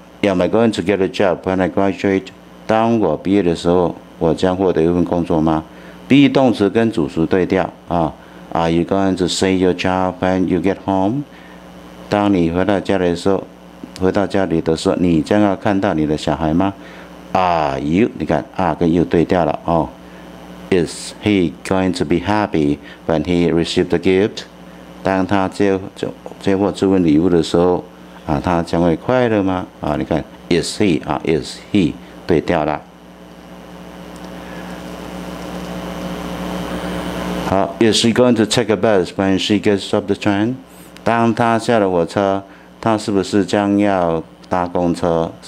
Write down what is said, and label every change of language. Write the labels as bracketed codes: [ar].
[en] Am I going to get a job when I graduate? [zh] 当我毕业的时候，我将获得一份工作吗？Be 动词跟主词对调啊。 [en] Are you going to see your child when you get home? [zh] 当你回到家里的时候，你将要看到你的小孩吗？ [en] Are you? [zh] 你看 are 跟 you 对调了哦。 [en] Is he going to be happy when he receives the gift? [zh] 当他接获这份礼物的时候。啊，他将会快乐吗？啊，你看 ，is he 啊 ，is he 对调了。好 [en] ，is she going to take a bus when she gets off the train？ [zh] 当他下了火车，他是不是将要搭公车？